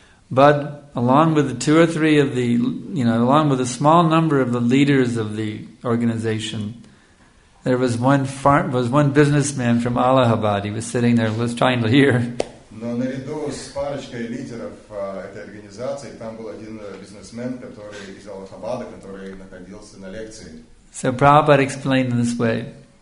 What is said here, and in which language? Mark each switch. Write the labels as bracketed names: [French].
[English] But along with the two or three of the, you know, along with a small number of the leaders of the organization, there was one businessman from Allahabad. He was sitting there, was trying to hear. [Russian] Но наряду с парочкой лидеров этой организации там был один бизнесмен, который из Аллахабада, который находился на лекции. [English] So Prabhupada explained in this way.